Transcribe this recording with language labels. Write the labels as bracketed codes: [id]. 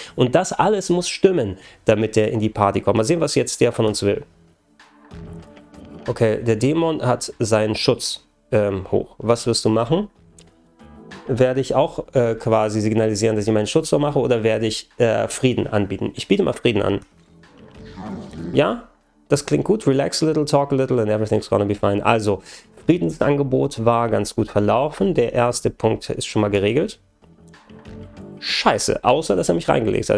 [de] Und das alles muss stimmen, damit der in die Party kommt. Mal sehen, was jetzt der von uns will. Okay, der Dämon hat seinen Schutz hoch. Was wirst du machen? Werde ich auch quasi signalisieren, dass ich meinen Schutz so mache, oder werde ich Frieden anbieten? Ich biete mal Frieden an. Ja, das klingt gut. [en] Relax a little, talk a little and everything's gonna be fine. [de] Also, Friedensangebot war ganz gut verlaufen. Der erste Punkt ist schon mal geregelt. Scheiße, außer dass er mich reingelegt hat.